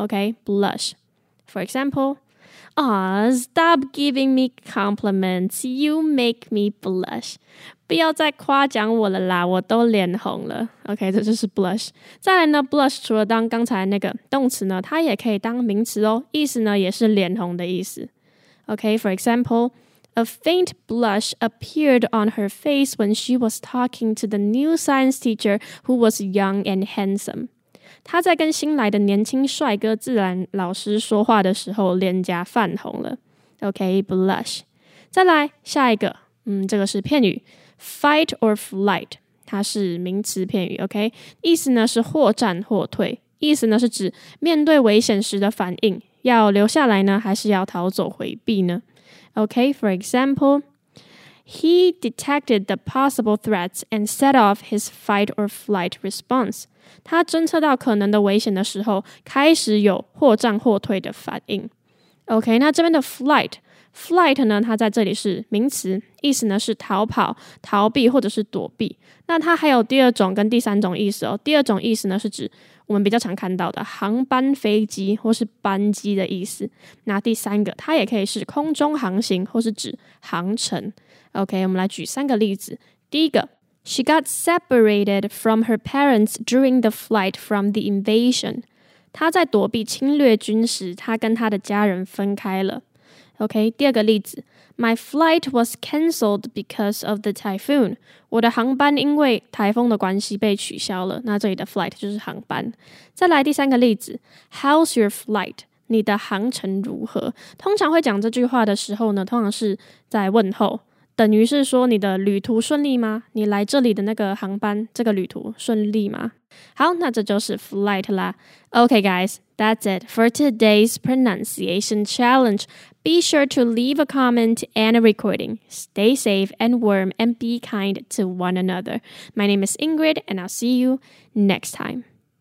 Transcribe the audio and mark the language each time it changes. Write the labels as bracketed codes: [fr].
[en] OK， blush， for example， Aw, stop giving me compliments, you make me blush， [zh] 不要再夸奖我了啦，我都脸红了。 OK， 这就是 blush。再来呢， blush 除了当刚才那个动词呢，它也可以当名词哦，意思呢也是脸红的意思。 [en] OK， for example，A faint blush appeared on her face when she was talking to the new science teacher who was young and handsome. [zh] 她在跟新来的年轻帅哥自然老师说话的时候脸颊泛红了。 OK, blush. 再来下一个，这个是片语 Fight or flight, 它是名词片语。 OK, 意思呢是或战或退，意思呢是指面对危险时的反应，要留下来呢还是要逃走回避呢。 [en] Okay, for example, he detected the possible threats and set off his fight or flight response. [zh] 他侦测到可能的危险的时候，开始有或战或退的反应。 Okay, 那这边的 flight 呢，它在这里是名词，意思呢是逃跑、逃避或者是躲避。那它还有第二种跟第三种意思哦。第二种意思呢是指我们比较常看到的航班飞机或是班机的意思。那第三个它也可以是空中航行或是指航程。 OK， 我们来举三个例子。第一个， [en] She got separated from her parents during the flight from the invasion. [zh] 她在躲避侵略军时，她跟她的家人分开了。 [en] OK， [zh] 第二个例子， [en] My flight was cancelled because of the typhoon. [zh] 我的航班因为台风的关系被取消了。那这里的 flight 就是航班。再来第三个例子， [en] How's your flight? [zh] 你的航程如何？通常会讲这句话的时候呢，通常是在问候，等于是说你的旅途顺利吗？你来这里的那个航班，这个旅途顺利吗？好，那这就是 flight 啦。 [en] OK guys, that's it for today's pronunciation challenge. Be sure to leave a comment and a recording. Stay safe and warm and be kind to one another. My name is Ingrid and I'll see you next time.